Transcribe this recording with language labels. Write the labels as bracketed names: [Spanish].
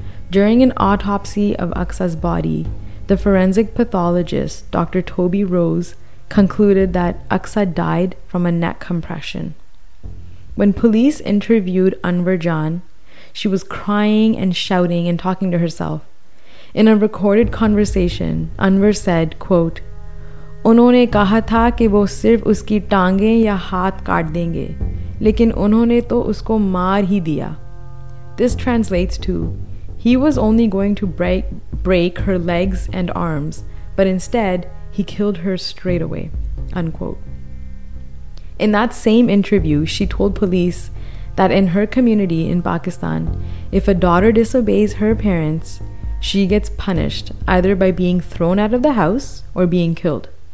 [English] During an autopsy of Aqsa's body, the forensic pathologist, Dr. Toby Rose, concluded that Aqsa died from a neck compression. When police interviewed Anwar John, she was crying and shouting and talking to herself. In a recorded conversation, Anwar said, quote, [Urdu] "انہوں نے کہا تھا کہ وہ صرف اس کی ٹانگیں یا ہاتھ کاٹ دیں گے, لیکن انہوں نے تو اس کو مار ہی دیا." [English] This translates to, he was only going to break her legs and arms, but instead, he killed her straight away, unquote. In that same interview, she told police that in her community in Pakistan, if a daughter disobeys her parents, she gets punished either by being thrown out of the house or being killed.